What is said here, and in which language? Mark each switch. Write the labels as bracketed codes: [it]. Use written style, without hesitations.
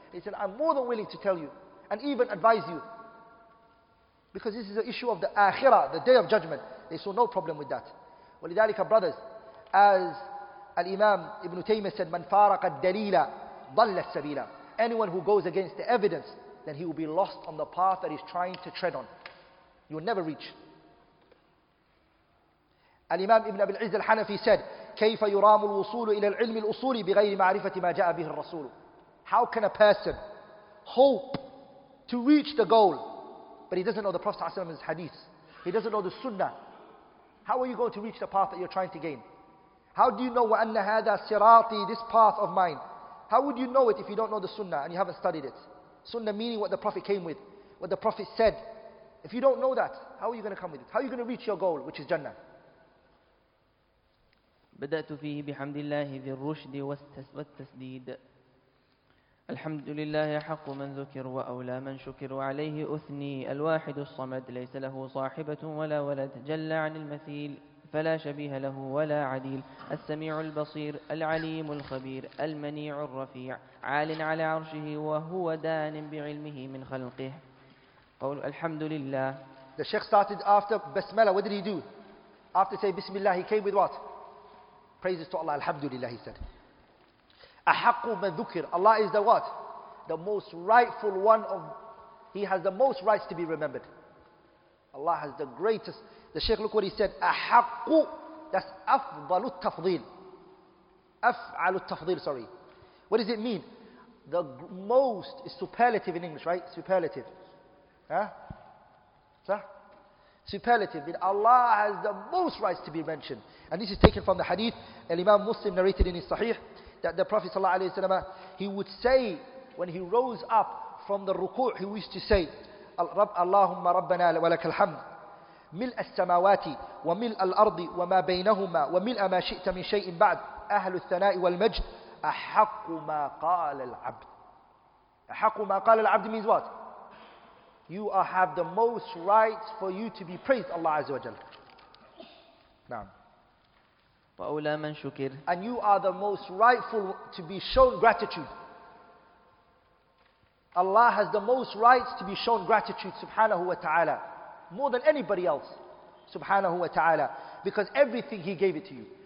[en] He said, I'm more than willing to tell you and even advise you. Because this is an issue of the Akhirah, the Day of Judgment. They saw no problem with that. [ar] وَلِذَلِكَ [en] brothers, as Al-Imam Ibn Taymiyyah said, [ar] مَنْ فَارَقَ الدَّلِيلَ ضَلَّ السَّبِيلَ. [en] Anyone who goes against the evidence, then he will be lost on the path that he's trying to tread on. You will never reach. Al-Imam Ibn Abil Izz al-Hanafi said, [ar] كيف يرام الوصول إلى العلم الأصولي بغير معرفة ما جاء به الرسول. [en] How can a person hope to reach the goal, but he doesn't know the Prophet's hadith? He doesn't know the sunnah. How are you going to reach the path that you're trying to gain? How do you know [ar] وَأَنَّ هَذَا صِرَاطِي, [en] this path of mine? How would you know it if you don't know the sunnah and you haven't studied it? Sunnah meaning what the Prophet came with, what the Prophet said. If you don't know that, how are you going to come with it? How are you going to reach your goal, which is Jannah? [ar] بدأت فيه بحمد الله ذي الرشد والتسديد الحمد لله حق من ذكر وأولى من شكر عليه أثني الواحد الصمد ليس له صاحبة ولا ولد جل عن المثيل فلا شبيه له ولا عديل السميع البصير العليم الخبير المنيع الرفيع عال على عرشه وهو دان بعلمه من خلقه قول الحمد لله. [en] The sheikh started after basmala. What did he do? After say bismillah, he came with what? Praises to Allah, alhamdulillah, he said. [ar] أَحَقُّ مَنْ ذُكِرْ. [en] Allah is the what? The most rightful one of... He has the most rights to be remembered. Allah has the greatest... The Shaykh, look what he said. [ar] أَحَقُّ. [en] That's [ar] أَفْضَلُ التَّفْضِيلِ. أَفْعَلُ التَّفْضِيلِ, [en] sorry. What does it mean? The most is superlative in English, right? Superlative. Huh? Superlative, but Allah has the most rights to be mentioned. And this is taken from the hadith, Imam Muslim narrated in his Sahih, that the Prophet ﷺ, he would say, when he rose up from the ruku', he used to say, Allahumma Rabbana wa lakal hamd, [ar] ملء السماوات وملء الأرض وما بينهما وملء ما شئت من شيء بعد أهل الثناء والمجد أحق ما قال العبد. أحق ما قال العبد [en] means what? You are, have the most rights for you to be praised, Allah Azza wa Jalla. And you are the most rightful to be shown gratitude. Allah has the most rights to be shown gratitude, subhanahu wa ta'ala, more than anybody else, subhanahu wa ta'ala, because everything He gave it to you.